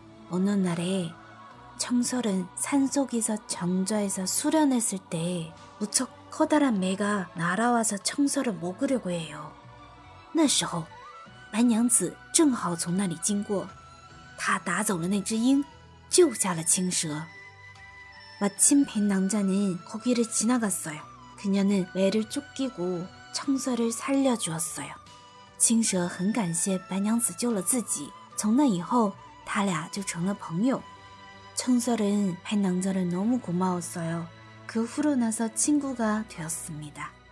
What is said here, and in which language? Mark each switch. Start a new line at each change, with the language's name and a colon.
Korean: 어느 날에 청설은 산속에서 정자에서 수련했을 때 무척 커다란 매가 날아와서 청설을 먹으려고 해요.
Chinese: 那时候白娘子正好从那里经过她拿走了那只鹰救下了青蛇。
Korean: 마침 백남자는 거기를 지나갔어요. 그녀는 매를 쫓기고 청설을 살려주었어요.
Chinese: 青蛇很感谢白娘子救了自己从那以后他俩就成了朋友。
Korean: 청설은 백남자를 너무 고마웠어요. 그 후로 나서 친구가 되었습니다.